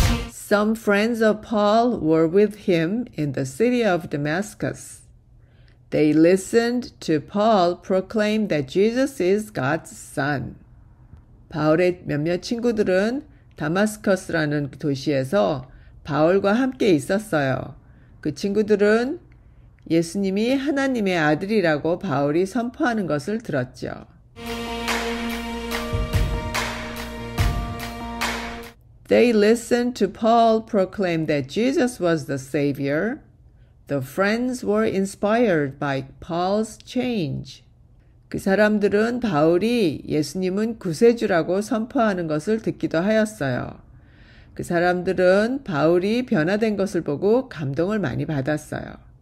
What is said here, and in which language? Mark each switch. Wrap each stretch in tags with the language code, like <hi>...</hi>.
<en>Some friends of Paul were with him in the city of Damascus. They listened to Paul proclaim that Jesus is God's son.</en> <ko>바울의 몇몇 친구들은 다마스커스라는 도시에서 바울과 함께 있었어요. 그 친구들은 예수님이 하나님의 아들이라고 바울이 선포하는 것을 들었죠.</ko> <en>They listened to Paul proclaim that Jesus was the Savior. The friends were inspired by Paul's change.</en> <ko>그 사람들은 바울이 예수님은 구세주라고 선포하는 것을 듣기도 하였어요. 그 사람들은 바울이 변화된 것을 보고 감동을 많이 받았어요.</ko>